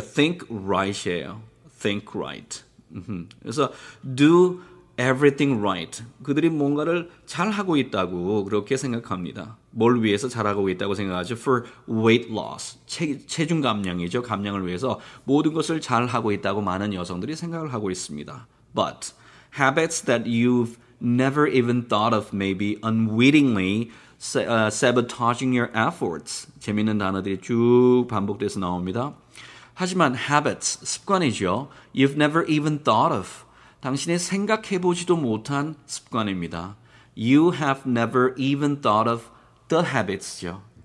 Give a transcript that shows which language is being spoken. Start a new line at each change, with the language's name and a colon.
English: Think right이에요. Think right.
Korean: 그래서
English: do everything right.
Korean: 그들이 뭔가를 잘하고 있다고 그렇게 생각합니다. 뭘 위해서 잘하고 있다고 생각하죠?
English: For weight loss.
Korean: 체중 감량이죠. 감량을 위해서 모든 것을 잘하고 있다고 많은 여성들이 생각을 하고 있습니다.
English: But habits that you've never even thought of may be unwittingly sabotaging your efforts.
Korean: 재미있는 단어들이 쭉 반복돼서 나옵니다. 하지만 habits, 습관이죠.
English: You've never even thought of.
Korean: 당신이 생각해보지도 못한 습관입니다.
English: You have never even thought of the habits죠.